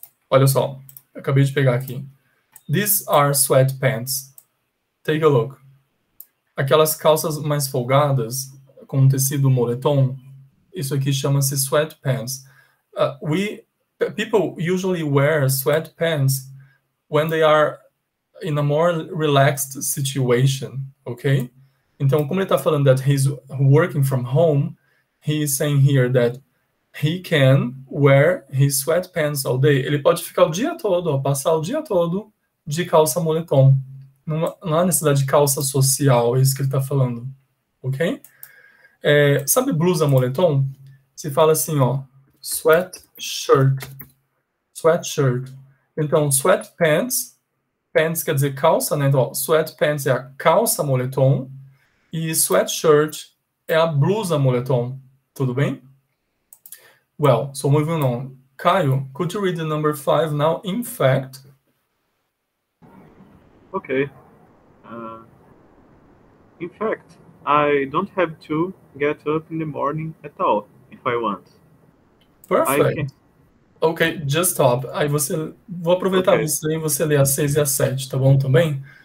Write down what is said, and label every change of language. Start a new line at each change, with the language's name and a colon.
Portuguese: Olha só, acabei de pegar aqui.
English: These are sweatpants. Take a look.
Portuguese: Aquelas calças mais folgadas, com tecido moletom, isso aqui chama-se sweatpants.
English: People usually wear sweatpants when they are in a more relaxed situation, okay?
Portuguese: Então, como ele está falando
English: that he's working from home, he is saying here that he can wear his sweatpants all day.
Portuguese: Ele pode ficar o dia todo, passar o dia todo de calça moletom. Não há necessidade de calça social, é isso que ele está falando, ok? Sabe blusa moletom? Se fala assim, ó, sweatshirt, sweatshirt. Então, sweatpants, pants quer dizer calça, né? Então, sweatpants é a calça moletom e sweatshirt é a blusa moletom, tudo bem?
English: Well, so moving on. Caio, could you read the number 5 now, in fact? Okay. In fact, I don't have to get up in the morning at all, if I want. Perfect. Ok, just stop.
Portuguese: Aí você, vou aproveitar okay. Você e você lê as 6 e as 7, tá bom também?